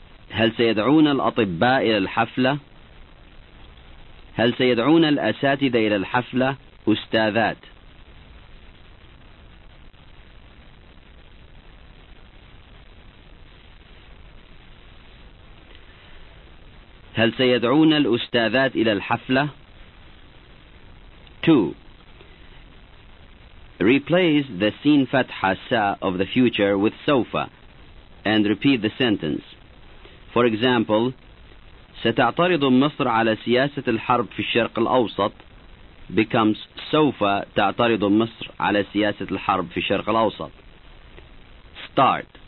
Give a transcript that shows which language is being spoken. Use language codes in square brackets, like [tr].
[ar] هل سيدعون الأطباء إلى الحفلة؟ هل سيدعون الأساتذة إلى الحفلة؟ أستاذات. هل سيدعون الأستاذات إلى الحفلة؟ 2. [en] Replace the سين فتحة سا of the future with سوف and repeat the sentence. For example, [ar] ستعترض مصر على سياسة الحرب في الشرق الأوسط [en] becomes [ar] سوف تعترض مصر على سياسة الحرب في الشرق الأوسط. [en] Start.